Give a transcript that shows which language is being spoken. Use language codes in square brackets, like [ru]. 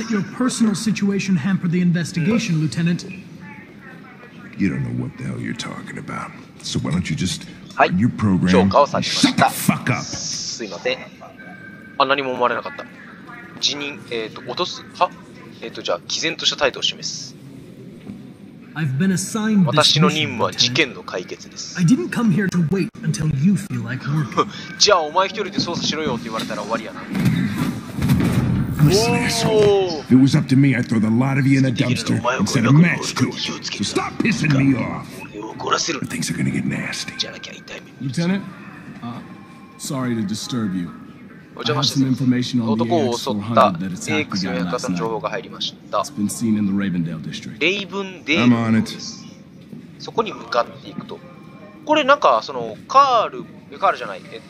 [en] You shouldn't let your personal situation hamper the investigation, Lieutenant. You don't know what the hell you're talking about. So why don't you just run your program? [ja] はい。評価を下げました。 [en] Shut the fuck up. [ja] すいません。あ、何も思われなかった。辞任、落とす。は？じゃあ毅然とした態度を示す。 [en] I've been assigned this mission. [ja] 私の任務は事件の解決です。 [en] I didn't come here to wait until you feel like working. [ja] じゃあお前一人で捜査しろよって言われたら終わりやな。 [en] Listen, asshole. If it was up to me, I'd throw the lot of you in a dumpster and set a match to it. So stop pissing me off. But things are gonna get nasty. Lieutenant, sorry to disturb you. I have some information on the AX400 that attacked the guy last night. It's been seen in the Ravendale district. I'm on it. [ja] そこに向かっていくと。これなんかそのカールじゃない。